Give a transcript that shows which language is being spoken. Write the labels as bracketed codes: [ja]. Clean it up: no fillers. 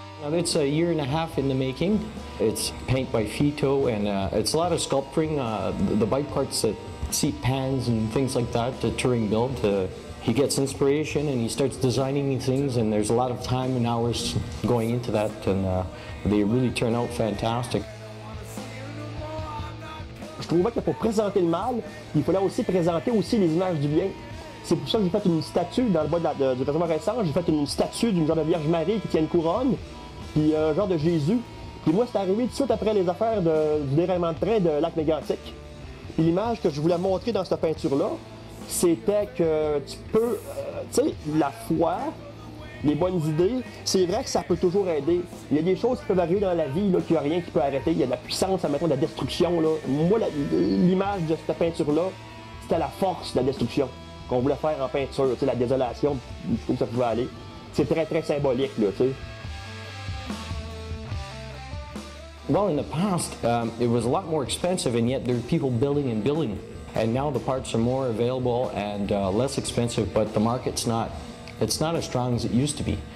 [en] It's a year and a half in the making. It's paint by Fitto, and it's a lot of sculpting. The bike parts that seat pans and things like that, the touring build, he gets inspiration and he starts designing things, and there's a lot of time and hours going into that, and they really turn out fantastic. [fr] Je trouvais que pour présenter le mal, il fallait aussi présenter aussi les images du bien. C'est pour ça que j'ai fait une statue dans le bois du patrimoine récent. J'ai fait une statue d'une genre de Vierge Marie qui tient une couronne, puis un genre de Jésus. Puis moi, c'est arrivé tout de suite après les affaires du déraillement de train de Lac Mégantic. Puis l'image que je voulais montrer dans cette peinture-là, c'était que tu peux, tu sais, la foi, les bonnes idées, c'est vrai que ça peut toujours aider. Il y a des choses qui peuvent arriver dans la vie, là, qu'il n'y a rien qui peut arrêter. Il y a de la puissance, mettons, de la destruction, là. Moi, l'image de cette peinture-là, c'était la force de la destruction qu'on voulait faire en peinture, tu sais, la désolation, où ça pouvait aller. C'est très, très symbolique, là, tu sais. [en] Well, in the past, it was a lot more expensive, and yet there were people building and building. And now the parts are more available and less expensive, but the market's not as strong as it used to be.